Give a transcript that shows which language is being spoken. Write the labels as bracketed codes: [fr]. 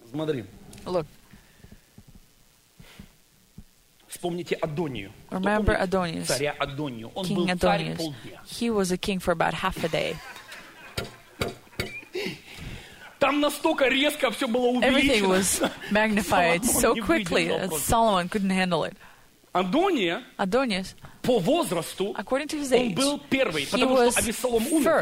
[en] Look. [ru] Вспомните Адонию. [en] Remember Adonius. [ru] Царя Адонию. Он king был Adonius. Царь полдня. [en] He was a king for about half a day. [ru] Там настолько резко все было увеличено. [en] Everything was magnified so quickly that Solomon couldn't handle it. [ru] Адонис. По возрасту. [en] According to his age. [ru] Он был первый, потому что Абисалом умер.